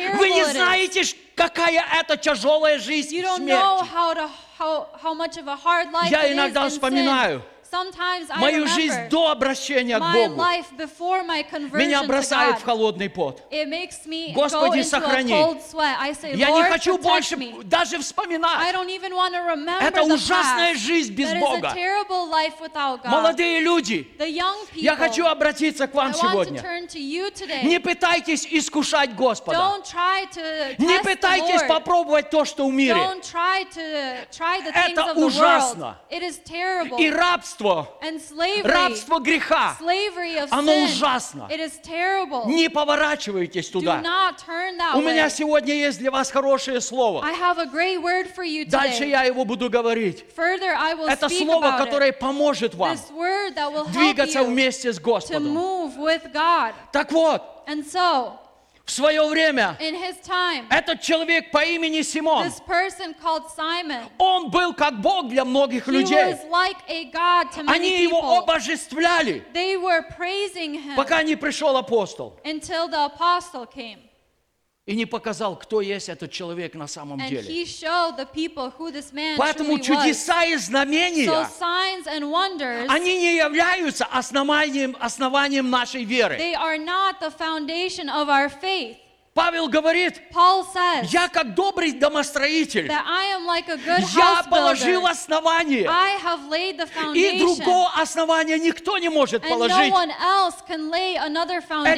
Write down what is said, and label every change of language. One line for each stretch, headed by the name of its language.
Russian: Вы не знаете, какая это тяжелая жизнь
English: You don't know how much of a hard life
Russian: Я иногда
English: it is
Russian: вспоминаю
English: Sometimes I
Russian: мою
English: remember
Russian: жизнь до обращения к Богу.
English: My life before my conversion
Russian: меня бросает
English: to God.
Russian: В холодный пот.
English: It makes me
Russian: Господи,
English: go into
Russian: сохрани.
English: A cold sweat. I say,
Russian: Я
English: Lord,
Russian: не хочу
English: protect
Russian: больше
English: me.
Russian: Даже вспоминать.
English: I don't even want to remember
Russian: это
English: the
Russian: ужасная
English: past.
Russian: Жизнь без
English: That
Russian: Бога.
English: Is a terrible life without God.
Russian: Молодые люди,
English: the young people,
Russian: я хочу обратиться к вам
English: I
Russian: сегодня.
English: Want to turn to you today.
Russian: Не пытайтесь искушать Господа.
English: Don't try to test
Russian: не пытайтесь
English: the Lord.
Russian: Попробовать то, что в мире.
English: Don't try to try the
Russian: это
English: things of
Russian: ужасно.
English: The world. It is terrible.
Russian: И рабство рабство,
English: and slavery,
Russian: рабство греха,
English: slavery of
Russian: оно
English: sin,
Russian: ужасно.
English: It is terrible.
Russian: Не поворачивайтесь туда.
English: Do not turn that
Russian: У
English: way.
Russian: Меня сегодня есть для вас хорошее слово.
English: I have a great word for you today.
Russian: Дальше я его буду говорить.
English: Further, I will
Russian: Это
English: speak
Russian: слово,
English: about
Russian: которое
English: it.
Russian: Поможет вам
English: This word that will
Russian: двигаться
English: help you
Russian: вместе с Господом.
English: To move with God.
Russian: Так вот,
English: and so,
Russian: в свое время
English: in his time,
Russian: этот человек по имени Симон,
English: this person called Simon,
Russian: он был как Бог для многих
English: he
Russian: людей.
English: Was like a God to many
Russian: Они
English: people.
Russian: Его обожествляли,
English: They were praising him,
Russian: пока не пришел апостол.
English: Until the apostle came.
Russian: И не показал, кто есть этот человек на самом
English: and
Russian: деле.
English: He showed the people who this man
Russian: Поэтому
English: truly
Russian: чудеса
English: was.
Russian: И знамения,
English: so signs and wonders,
Russian: они не являются основанием нашей веры.
English: They are not the foundation of our faith.
Russian: Павел говорит,
English: Paul says,
Russian: я как добрый домостроитель,
English: that I am like a good
Russian: я положил основание,
English: I have laid the foundation,
Russian: и другого основания никто не может
English: and
Russian: положить.
English: No one else can lay another foundation.